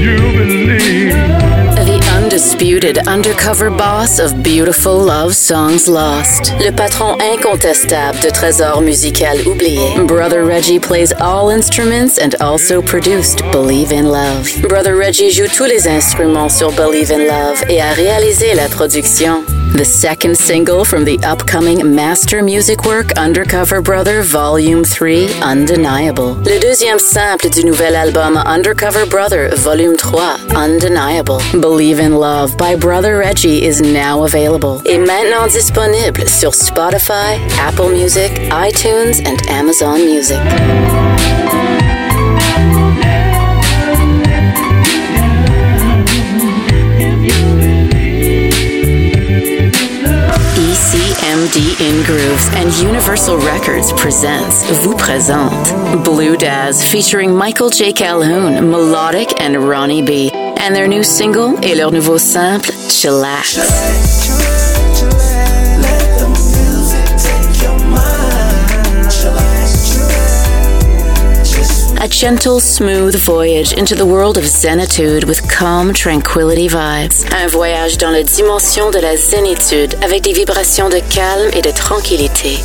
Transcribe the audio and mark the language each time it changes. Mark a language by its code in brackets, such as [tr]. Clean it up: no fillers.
[en] You believe. The undisputed undercover boss of Beautiful Love Songs Lost. [fr] Le patron incontestable de Trésor Musical Oublié. [en] Brother Reggie plays all instruments and also produced Believe in Love. [fr] Brother Reggie joue tous les instruments sur Believe in Love et a réalisé la production. [en] The second single from the upcoming master music work Undercover Brother Volume 3, Undeniable. [fr] Le deuxième sample du nouvel album Undercover Brother Volume 3, Undeniable. [en] Believe in Love by Brother Reggie is now available. [fr] Et maintenant disponible sur Spotify, Apple Music, iTunes and Amazon Music. [en] MD in Grooves and Universal Records presents, [fr] vous présente, [en] Blue Daz featuring Michael J. Calhoun, Melodic and Ronnie B. And their new single [fr] et leur nouveau simple, [en] Chillax. A gentle, smooth voyage into the world of zenitude with calm, tranquility vibes. [fr] Un voyage dans la dimension de la zenitude avec des vibrations de calme et de tranquillité.